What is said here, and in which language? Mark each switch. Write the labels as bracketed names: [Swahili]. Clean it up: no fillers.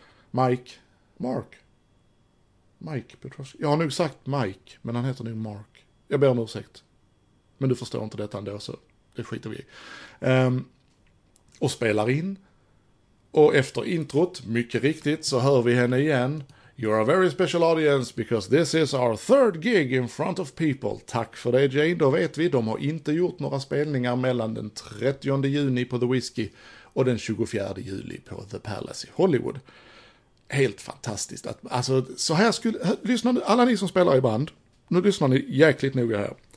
[Swedish] Mike Piotrowski. Jag har nog sagt Mike, men han heter nu Mark. Jag ber om ursäkt. Men du förstår inte detta ändå, så det skiter vi i. Och spelar in. Och efter introt, mycket riktigt, så hör vi henne igen. [English] You are a very special audience because this is our third gig in front of people. [Swedish] Tack för det, Jane. Då vet vi, de har inte gjort några spelningar mellan den 30 juni på The Whiskey och den 24 juli på The Palace i Hollywood. Helt fantastiskt. Att, alltså, så här skulle, lyssna nu, alla ni som spelar i band, nu lyssnar ni jäkligt noga här.